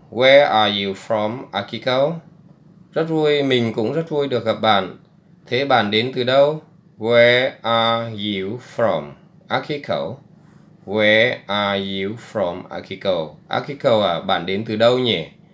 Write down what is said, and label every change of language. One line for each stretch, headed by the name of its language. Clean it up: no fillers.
English: Where are you from, Akiko?
Vietnamese: Rất vui, mình cũng rất vui được gặp bạn. Thế bạn đến từ đâu?
English: Where are you from, Akiko? Where are you from, Akiko?
Vietnamese: Akiko à, bạn đến từ đâu nhỉ?